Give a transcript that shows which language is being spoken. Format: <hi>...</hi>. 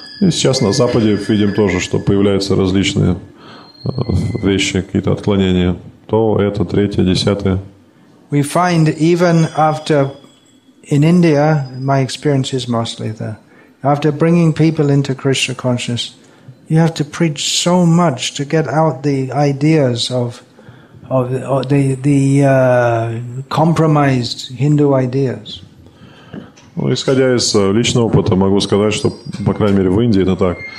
<ru>И сейчас на Западе видим тоже, что появляются различные вещи, какие-то отклонения. То, это, третье, десятое.</ru> <en>We find even after, in India, my experience is mostly there, after bringing people into Krishna consciousness, you have to preach so much to get out the ideas of the compromised Hindu ideas.</en> <ru>Ну, исходя из личного опыта, могу сказать, что, по крайней мере, в Индии это так.</ru>